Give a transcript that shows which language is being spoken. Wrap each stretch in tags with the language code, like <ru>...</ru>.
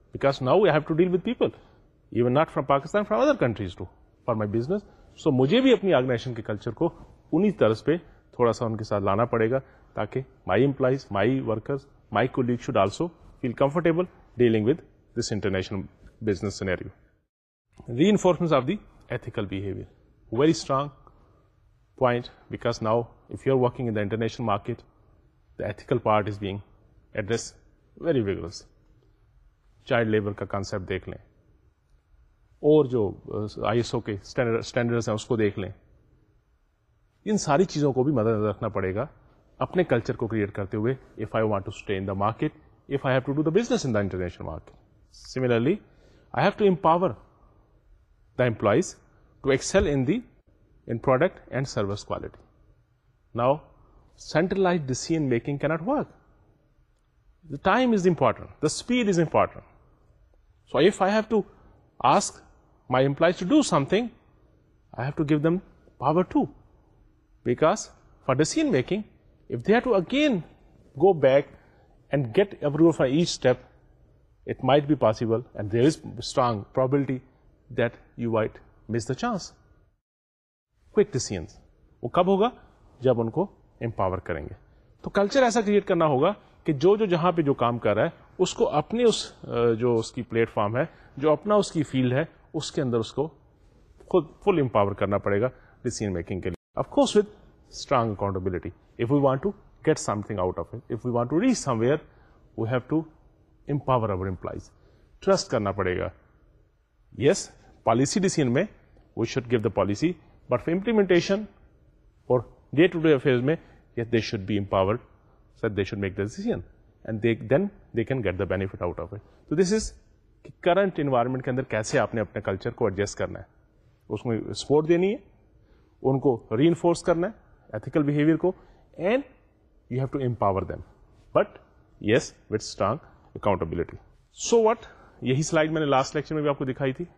<en>Because now I have to deal with people even not from Pakistan, from other countries to for my business.</en> <ur>سو مجھے بھی اپنی organization کے culture کو انہی طرز پہ تھوڑا سا ان کے ساتھ لانا پڑے گا, تاکہ</ur> <en>My employees, my workers, my colleague should also feel comfortable dealing with this international business scenario. Reinforcement of the ethical behaviour, very strong point, because now if you are working in the international market, the ethical part is being address very vigorous.</en> <ur>Child labour کا concept دیکھ لیں, اور جو I S O کے standards ہیں اس کو دیکھ لیں. ان ساری چیزوں کو بھی مد نظر رکھنا پڑے گا اپنے کلچر کو کریٹ کرتے ہوئے,</ur> <en>If I want to stay in the market, if I have to do the business in the international market. Similarly I have to empower the employees to excel in the in product and service quality. Now centralise decision making کی not work. The time is important. The speed is important. So if I have to ask my employees to do something, I have to give them power too. Because for decision making, if they have to again go back and get approval for each step, it might be possible and there is strong probability that you might miss the chance. Quick decisions.</en> <ur>Wo kab hoga? Jab unko empower karenge. To culture aisa create karna hoga, کہ جو جو جہاں پہ جو کام کر رہا ہے اس کو اپنے اس جو اس کی پلیٹ فارم ہے, جو اپنا اس کی فیلڈ ہے, اس کے اندر اس کو خود فل امپاور کرنا پڑے گا ڈیسیژن میکنگ کے لیے.</ur> <en>Of course with strong accountability. If we want to get something out of it, if we want to reach somewhere, we have to empower our employees.</en> <ur>ٹرسٹ کرنا پڑے گا.</ur> <en>Yes, policy decision میں we should give the policy, but for implementation اور day to day affair میں, yes, they should be empowered. So they should make the decision and then they can get the benefit out of it. So this is current environment</en> <ur>کے اندر کیسے آپ نے اپنے culture کو adjust کرنا ہے, اس کو سپورٹ دینی ہے, ان کو ری انفورس کرنا ہے ایتھیکل بہیویئر کو,</ur> <en>And you have to empower them, but yes with strong accountability. So what,</en> <ur>یہی سلائڈ میں نے لاسٹ لیکچر میں بھی آپ کو دکھائی تھی.</ur>